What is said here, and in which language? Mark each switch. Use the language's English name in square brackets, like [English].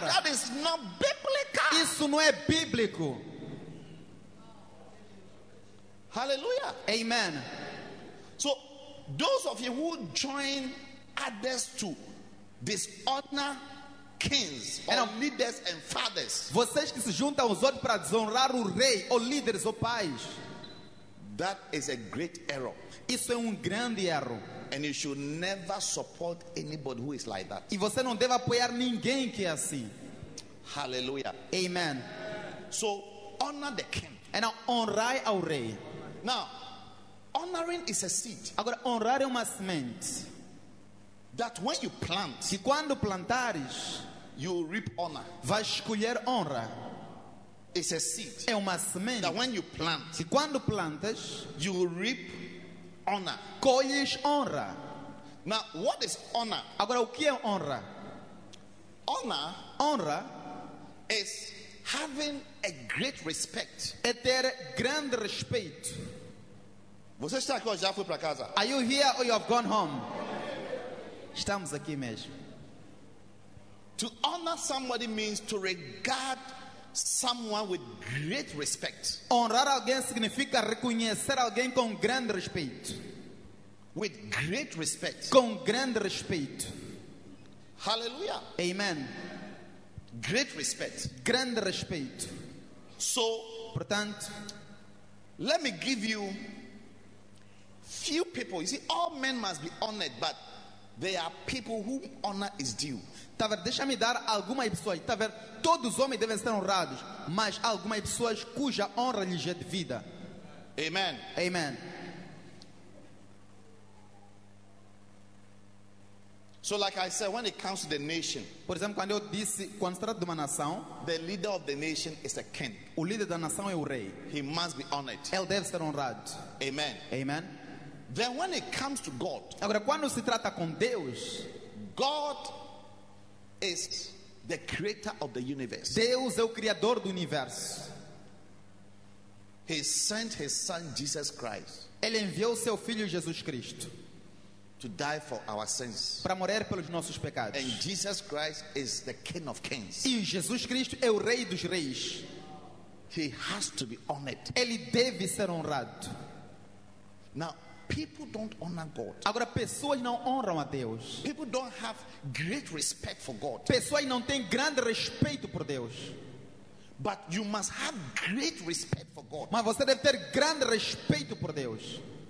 [English] That is not biblical. [Portuguese] Isso não é bíblico. [English] Hallelujah. [Portuguese] Amen. [English] So, those of you who join others to dishonor kings or leaders and fathers, [Portuguese] vocês que se juntam aos outros para desonrar o rei ou líderes ou pais, [English] that is a great error. [Portuguese] Isso é grande erro. [English] And you should never support anybody who is like that. [Portuguese] E você não deve apoiar ninguém que é assim. [English] Hallelujah. [Portuguese] Amen. [English] So honor the king. [Portuguese] E não honrai ao rei. [English] Now, honoring is a seed. [Portuguese] Agora, honrar é uma semente. [English] That when you plant, [Portuguese] que quando plantares, [English] you will reap honor. [Portuguese] Vais colher honra. [English] It's a seed. [Portuguese] É uma semente. [English] That when you plant, [Portuguese] que quando plantas, [English] you will reap honor. [Portuguese] Colhes honra. [English] Now, what is honor? [Portuguese] Agora, o que é honra? [English] Honra is having a great respect. [Portuguese] É ter grande respeito. Você está aqui ou já foi para casa? [English] Are you here or you have gone home? [Portuguese] Estamos aqui mesmo. [English] To honor somebody means to regard someone with great respect. [Portuguese] Honrar alguém significa reconhecer alguém com grande respeito. [English] With great respect. [Portuguese] Com grande respeito. [English] Hallelujah. [Portuguese] Amen. [English] Great respect. [Portuguese] Grande respeito. [English] So, [Portuguese] portanto, [English] let me give you few people. You see, all men must be honored, but there are people whom honor is due. [Portuguese] Tá vendo? Deixa-me dar algumas pessoas. Tá vendo? Todos os homens devem ser honrados, mas algumas pessoas cuja honra lhes é devida. [English] Amen. [Portuguese] Amen. [English] So, like I said, when it comes to the nation, [Portuguese] por exemplo, quando eu disse, quando se trata de uma nação, [English] the leader of the nation is a king. [Portuguese] O líder da nação é o rei. [English] He must be honored. [Portuguese] Ele deve ser honrado. [English] Amen. [Portuguese] Amen. [English] Then when it comes to God, [Portuguese] agora quando se trata com Deus, [English] God is the creator of the universe. [Portuguese] Deus é o criador do universo. [English] He sent His Son Jesus Christ. [Portuguese] Ele enviou seu filho Jesus Cristo. [English] to die for our sins. [Portuguese] Para morrer pelos nossos pecados. [English] And Jesus Christ is the King of Kings. [Portuguese] E Jesus Cristo é o Rei dos Reis. [English] He has to be honored. [Portuguese] Ele deve ser honrado. [English] Now, people don't honor God. [Portuguese] Agora, pessoas não honram a Deus. [English] People don't have great respect for God. [Portuguese] Pessoas não têm grande respeito por Deus. [English] But you must have great respect for God. [Portuguese] Mas você deve ter grande respeito por Deus.